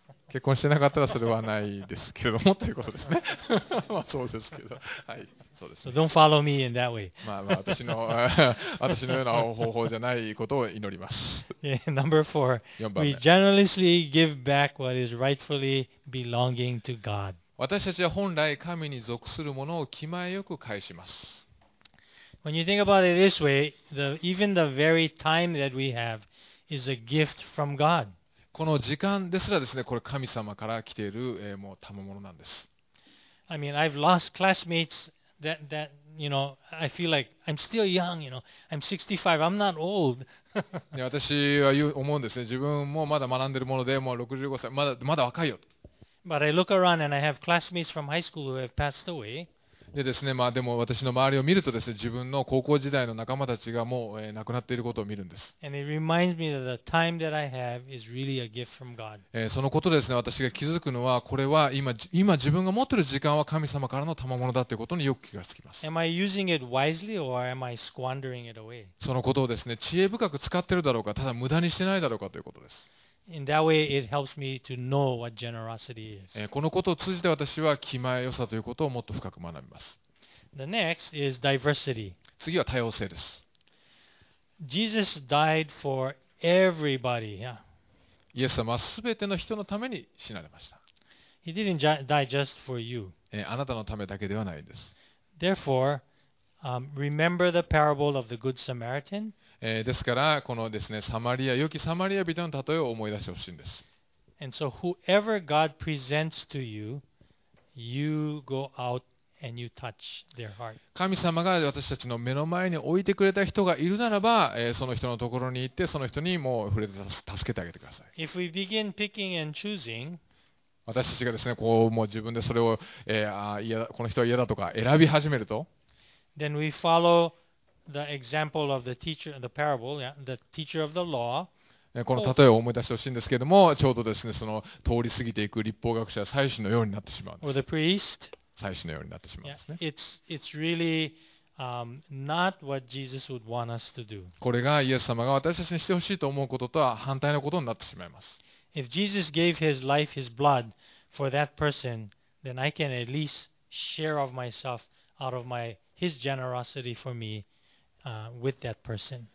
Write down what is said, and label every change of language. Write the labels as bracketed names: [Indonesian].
[Japanese] 結婚してなかったらそれはないですけれどもということですね。まあそうですけど、はい、そうです、ね。 [English] So、don't follow me in that way. [Japanese] まあまあ私のような方法じゃないことを祈ります。 [English] Yeah, number four. [Japanese] 4番目。 [English] We generously give back what is rightfully belonging to God. [Japanese] 私たちは本来神に属するものを気前よく返します。 [English] When you think about it this way, even the very time that we have is a gift from God. [Japanese] この時間ですらですね、これ神様から来ている、もう賜物なんです。 [English] I mean, I've lost classmates that you know, I feel like I'm still young, you know, I'm 65, I'm not old. [Japanese] 私は思うんですね、自分もまだ学んでいるもので、もう65歳、まだ若いよ。 [English] But I look around and I have classmates from high school who have passed away. [Japanese] でですね、まあでも私の周りを見るとですね、自分の高校時代の仲間たちがもう亡くなっていることを見るんです。そのことでですね、私が気づくのは、これは今自分が持っている時間は神様からの賜物だということによく気がつきます。 [English] Am I using it wisely or am I squandering it away? [Japanese] そのことをですね、知恵深く使っているだろうか、ただ無駄にしてないだろうかということです。 [English] In that way, it helps me to know what generosity is. [Japanese] このことを通じて私は気前良さということをもっと深く学びます。 [English] The next is diversity. [Japanese] 次は多様性です。 [English] Jesus died for everybody. [Japanese] イエス様はすべての人のために死なれました。 [English] He didn't die just for you. [Japanese] あなたのためだけではないんです。 [English] Therefore, remember the parable of the Good Samaritan. [Japanese] ですから、このですね、サマリア、良きサマリア人の例えを思い出してほしいんです。 [English] And so whoever God presents to you, you go out and you touch their heart. [Japanese] 神様が私たちの目の前に置いてくれた人がいるならば、その人のところに行って、その人にもう触れて助けてあげてください。 [English] If we begin picking and choosing, [Japanese] 私たちがですね、こう、もう自分でそれを、この人は嫌だとか選び始めると、 [English] then we followThe example of the teacher, the parable, the teacher of the law. [Japanese] この例えを思い出してほしいんですけれども、ちょうどですね、その通り過ぎていく立法学者、祭司のようになってしまうんです。 [English] Or the priest. [Japanese] 祭司のようになってしまうんですね。 [English] Yeah, it's really not what Jesus would want us to do. [Japanese] これがイエス様が私たちにしてほしいと思うこととは反対のことになってしまいます。 [English] If Jesus gave his life, his blood for that person, then I can at least share of myself out of his generosity for me. With that person.